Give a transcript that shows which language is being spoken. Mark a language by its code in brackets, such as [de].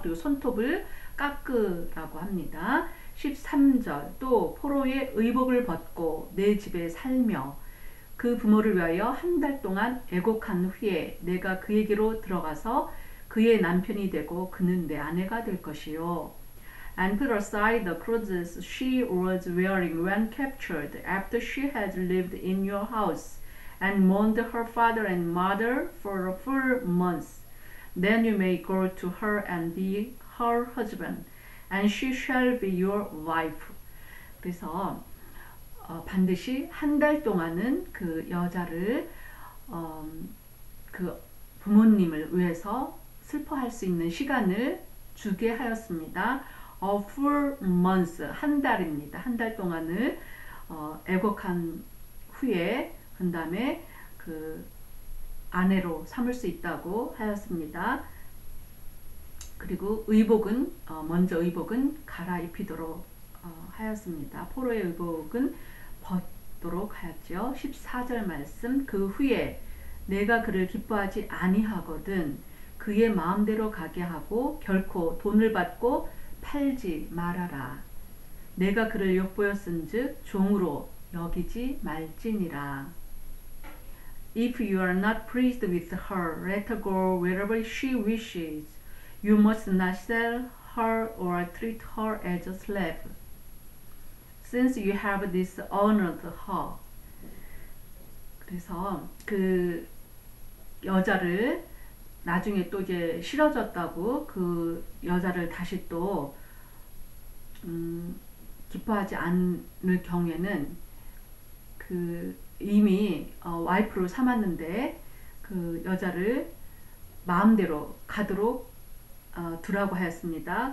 [ko] 그리고 손톱을 깎으라고 합니다. 13절 또 포로의 의복을 벗고 내 집에 살며 그 부모를 위하여 한 달 동안 애곡한 후에 내가 그에게로 들어가서 그의 남편이 되고 그는 내 아내가 될 것이요. [en] And put aside the clothes she was wearing when captured after she had lived in your house and mourned her father and mother for a full month. Then you may go to her and be her husband, and she shall be your wife. [ko] 그래서 반드시 한 달 동안은 그 여자를 그 부모님을 위해서 슬퍼할 수 있는 시간을 주게 하였습니다. [en] A full month, [ko] 한 달입니다. 한 달 동안을 애곡한 후에 그 다음에 그 아내로 삼을 수 있다고 하였습니다. 그리고 의복은 먼저 의복은 갈아입히도록 하였습니다. 포로의 의복은 벗도록 하였죠. 14절 말씀 그 후에 내가 그를 기뻐하지 아니하거든 그의 마음대로 가게 하고 결코 돈을 받고 팔지 말아라. 내가 그를 욕보였은 즉 종으로 여기지 말지니라. [en] If you are not pleased with her, let her go wherever she wishes. You must not sell her or treat her as a slave. Since you have dishonored her. [ko] 그래서 그 여자를 나중에 또 이제 싫어졌다고 그 여자를 다시 또 기뻐하지 않을 경우에는 그 이미 와이프로 삼았는데 그 여자를 마음대로 가도록 두라고 하였습니다.